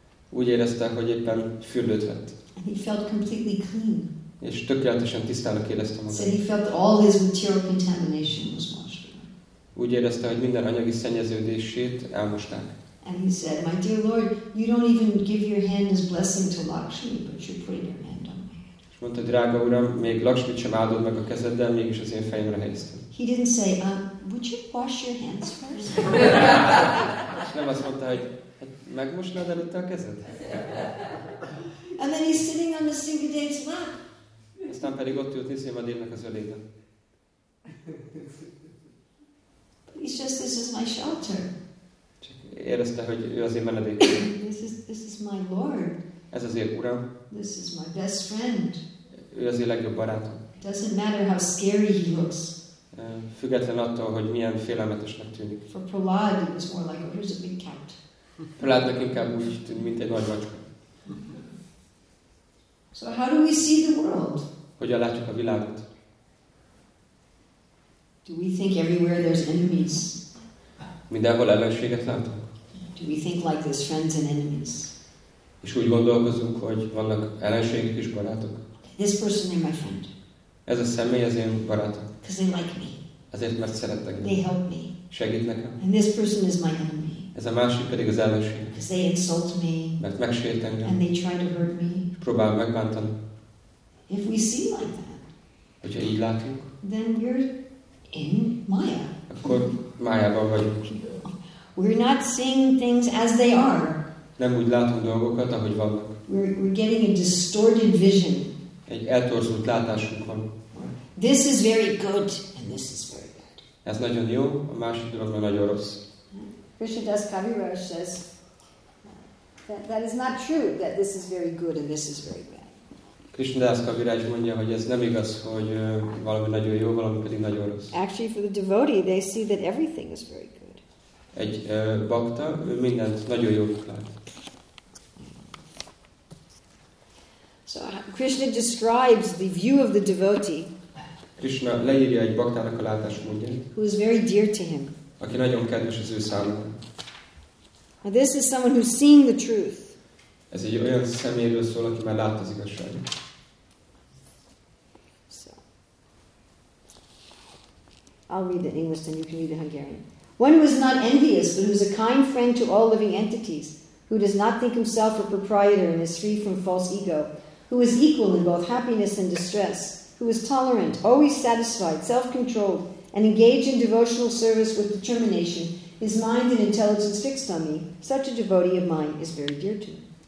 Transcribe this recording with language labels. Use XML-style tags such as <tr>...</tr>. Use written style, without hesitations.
<hu>Úgy érezte, hogy éppen fürdőt vett.</hu> <en>And he felt completely clean.</en> <hu>És tökéletesen tisztának éreztem magát.</hu> <en>So he felt all his material contamination was washed away.</en> <hu>Úgy érezte, hogy minden anyagi szennyeződését elmosták.</hu> <en>And he said, my dear Lord, you don't even give your hand as blessing to Lakshmi, but you're putting your hand on my head.</en> <hu>És mondta, drága uram, még Lakshmit sem áldod meg a kezeddel, mégis az én fejemre helyezted.</hu> <en>He didn't say, would you wash your hands first?</en> <hu>És nem azt mondta, hogy hát megmosnád előtte a kezed?</hu> <en>And then he's sitting on the Singhadev's lap.</en> <hu>Aztán pedig ott ült Nrisimha Devinek az ölében.</hu> <en>He's just, this is my shelter.</en> <hu>Csak érezte, hogy ő az én menedék.</hu> <en>This is my lord.</en> <hu>Ez az én uram.</hu> <en>This is my best friend.</en> <hu>Ő az én legjobb barátom.</hu> <en>Doesn't matter how scary he looks.</en> <hu>Független attól, hogy milyen félelmetesnek tűnik.</hu> <en>For Prahlad, it was more like, oh, here's a big cat.</en> <hu>Prahladnak inkább úgy tűnt, mint egy nagy macska.</hu> <en>So how do we see the world?</en> <hu>Hogyan látjuk a világot?</hu> <en>Do we think everywhere there's enemies?</en> <hu>Mindenhol ellenséget látunk?</hu> <en>Do we think like there's friends and enemies?</en> <hu>És úgy gondolkozunk, hogy vannak ellenségek és barátok?</hu> <en>This person is my friend.</en> <hu>Ez a személy az én barátom.</hu> <en>Because they like me.</en> <hu>Azért, mert szeretnek.</hu> <en>They help me.</en> <hu>Segít nekem.</hu> <en>And this person is my enemy.</en> <hu>Ez a másik pedig az ellenség.</hu> <en>Because they insult me.</en> <hu>Mert megsért engem.</hu> <en>And they try to hurt me.</en> <hu>Próbál megbántani.</hu> <en>If we see like that,</en> <hu>hogyha így látunk,</hu> <en>then we're in Maya.</en> <hu>Akkor Mayában vagyunk.</hu> <en>We're not seeing things as they are.</en> <hu>Nem úgy látunk dolgokat, ahogy vannak.</hu> <en>We're getting a distorted vision.</en> <hu>Egy eltorzult látásunk van.</hu> <en>This is very good and this is very bad.</en> <hu>Ez nagyon jó, a másik dolog meg nagyon rossz.</hu> <en>Krishnadas Kaviraj says, that is not true, that this is very good and this is very bad.</en> <hu>Krishnadas Kaviraj mondja, hogy ez nem igaz, hogy valami nagyon jó, valami pedig nagyon rossz.</hu> <en>Actually, for the devotee, they see that everything is very good.</en> <hu>Egy bhakta, ő mindent nagyon jó lát.</hu> <en>So, Krishna describes the view of the devotee.</en> <hu>Krishna leírja egy bhaktának a látásmódját.</hu> <en>Who is very dear to him.</en> <hu>Aki nagyon kedves az ő számára.</hu> <en>Now this is someone who's seen the truth.</en> <hu>Ez egy olyan személyről szól, aki már látta az igazságot.</hu> <en>So. I'll read the English and you can read the Hungarian. One who is not envious, but who is a kind friend to all living entities, who does not think himself a proprietor and is free from false ego, who is equal in both happiness and distress, who is tolerant, always satisfied, self-controlled, and engaged in devotional service with determination, his mind and intelligence fixed on me, such a devotee of mine is very dear to me.</en>